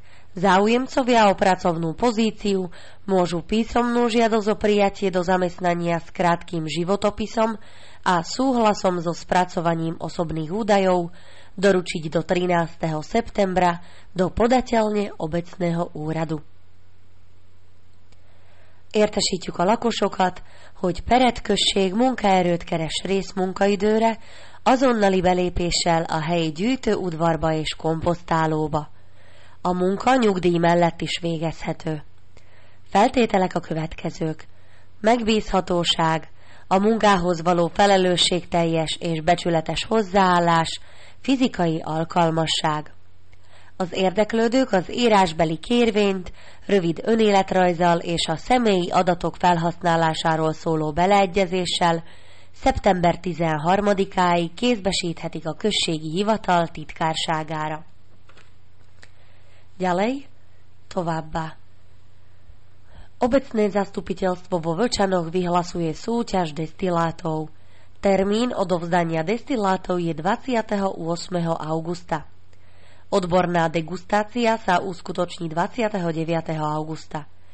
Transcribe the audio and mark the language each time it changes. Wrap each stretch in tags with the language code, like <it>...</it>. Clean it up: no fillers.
<sk>Záujemcovia o pracovnú pozíciu môžu písomnú žiadosť o prijatie do zamestnania s krátkým životopisom a súhlasom so spracovaním osobných údajov doručiť do 13. septembra do podateľne obecného úradu.</sk> <hu>Értesítjük a lakosokat, hogy peretkösség munkaerőt keres részmunkaidőre, azonnali belépéssel a helyi gyűjtőudvarba és komposztálóba. A munka nyugdíj mellett is végezhető. Feltételek a következők. Megbízhatóság, a munkához való felelősségteljes és becsületes hozzáállás, fizikai alkalmasság. Az érdeklődők az írásbeli kérvényt, rövid önéletrajzzal és a személyi adatok felhasználásáról szóló beleegyezéssel szeptember 13-áig kézbesíthetik a községi hivatal titkárságára.</hu> <sk>Ďalej,</sk> <hu>továbbá.</hu> <sk>Obecné zastupiteľstvo vo Vlčanoch vyhlasuje súťaž destilátov. Termín odovzdania destilátov je 28. augusta. Odborná degustácia sa uskutoční 29. augusta.</sk>